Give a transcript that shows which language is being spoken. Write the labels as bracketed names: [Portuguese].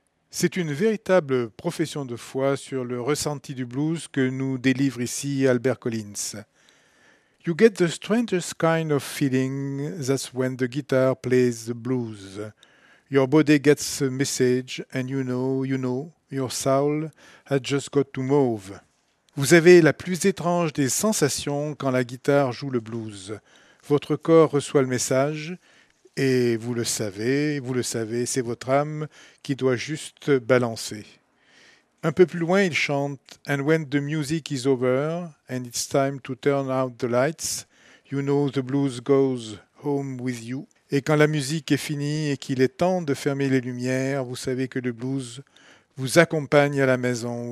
[French] C'est une véritable profession de foi sur le ressenti du blues que nous délivre ici Albert Collins. [English] You get the strangest kind of feeling, that's when the guitar plays the blues. Your body gets a message and you know, your soul has just got to move. [French] Vous avez la plus étrange des sensations quand la guitare joue le blues. Votre corps reçoit le message et vous le savez, c'est votre âme qui doit juste balancer. Un peu plus loin, il chante « [English] And when the music is over and it's time to turn out the lights, you know the blues goes home with you. [French] » Et quand la musique est finie et qu'il est temps de fermer les lumières, vous savez que le blues vous accompagne à la maison.